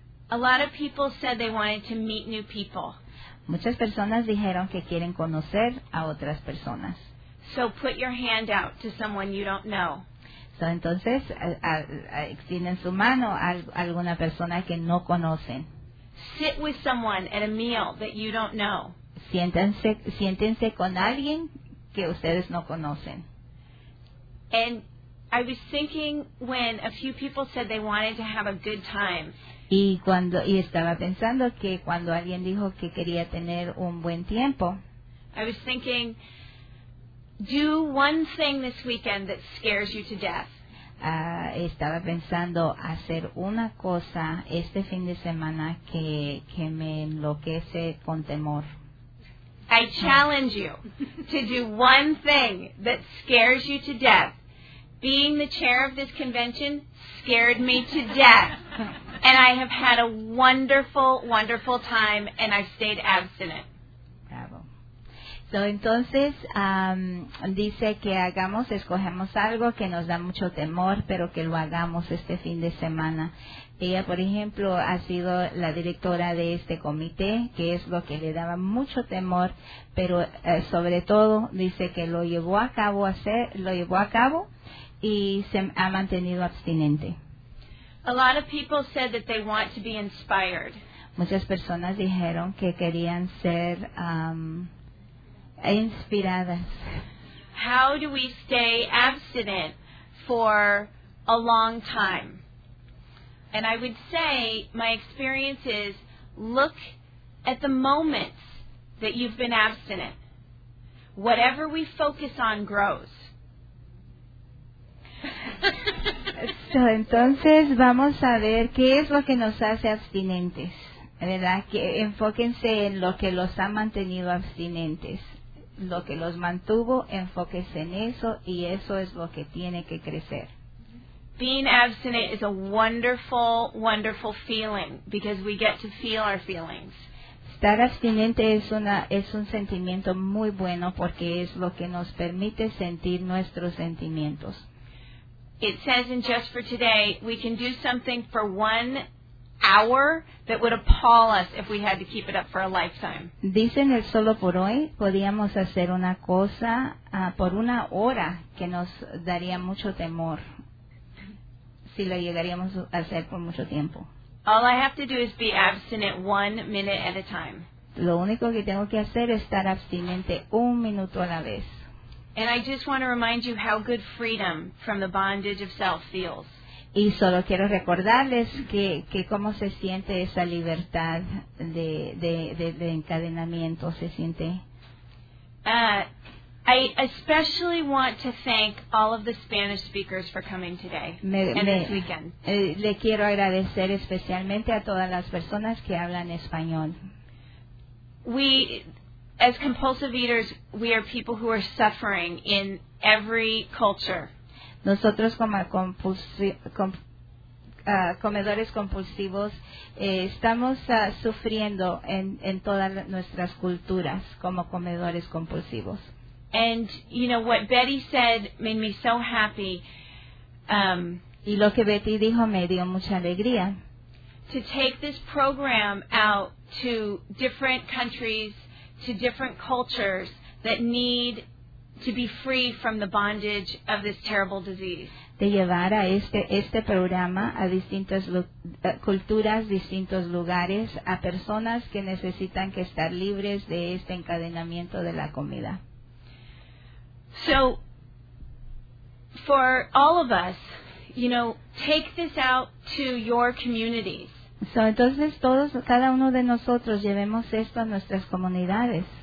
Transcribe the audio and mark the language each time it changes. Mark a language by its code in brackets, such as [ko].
[en] A lot of people said they wanted to meet new people. [es] Muchas personas dijeron que quieren conocer a otras personas. [en] So put your hand out to someone you don't know. [es] So entonces, extienden su mano a alguna persona que no conocen. [en] Sit with someone at a meal that you don't know. [es] Siéntense con alguien que ustedes no conocen. [en] And I was thinking when a few people said they wanted to have a good time. [es] Y estaba pensando que cuando alguien dijo que quería tener un buen tiempo. [en] I was thinking, do one thing this weekend that scares you to death. [es] Estaba pensando hacer una cosa este fin de semana que me enloquece con temor. [en] I challenge you to do one thing that scares you to death. Being the chair of this convention scared me to death. And I have had a wonderful, wonderful time, and I've stayed abstinent. [es] Bravo. So, entonces, dice que hagamos, escogemos algo que nos da mucho temor, pero que lo hagamos este fin de semana. Ella, por ejemplo, ha sido la directora de este comité, que es lo que le daba mucho temor, pero sobre todo dice que lo llevó a cabo y se ha mantenido abstinente. [en] A lot of people said that they want to be inspired. [es] Muchas personas dijeron que querían ser inspiradas. [en] How do we stay abstinent for a long time? And I would say, my experience is, look at the moments that you've been abstinent. Whatever we focus on grows. [es] So, entonces, vamos a ver qué es lo que nos hace abstinentes. ¿Verdad? Que enfóquense en lo que los ha mantenido abstinentes. Lo que los mantuvo, enfóquense en eso, y eso es lo que tiene que crecer. [en] Being abstinent is a wonderful, wonderful feeling because we get to feel our feelings. [es] Estar abstinente es un sentimiento muy bueno porque es lo que nos permite sentir nuestros sentimientos. [en] It says in Just for Today, we can do something for 1 hour that would appall us if we had to keep it up for a lifetime. [es] Dicen el solo por hoy, podíamos hacer una cosa por una hora que nos daría mucho temor. Si lo llegaríamos a hacer por mucho tiempo. [en] All I have to do is be abstinent 1 minute at a time. [es] Lo único que tengo que hacer es estar abstinente 1 minuto a la vez. [en] And I just want to remind you how good freedom from the bondage of self feels. [es] Y solo quiero recordarles que cómo se siente esa libertad de encadenamiento, se siente. [en] I especially want to thank all of the Spanish speakers for coming today this weekend. [es] Le quiero agradecer especialmente a todas las personas que hablan español. [en] We, as compulsive eaters, we are people who are suffering in every culture. [es] Nosotros como comedores compulsivos estamos sufriendo en todas nuestras culturas como comedores compulsivos. [en] And, you know, what Betty said made me so happy. [es] Y lo que Betty dijo me dio mucha alegría. [en] To take this program out to different countries, to different cultures that need to be free from the bondage of this terrible disease. [es] De llevar a este programa a distintas culturas, distintos lugares, a personas que necesitan que estar libres de este encadenamiento de la comida. [en] So, for all of us, you know, take this out to your communities. [es] So, entonces, todos, cada uno de nosotros, llevemos esto a nuestras comunidades.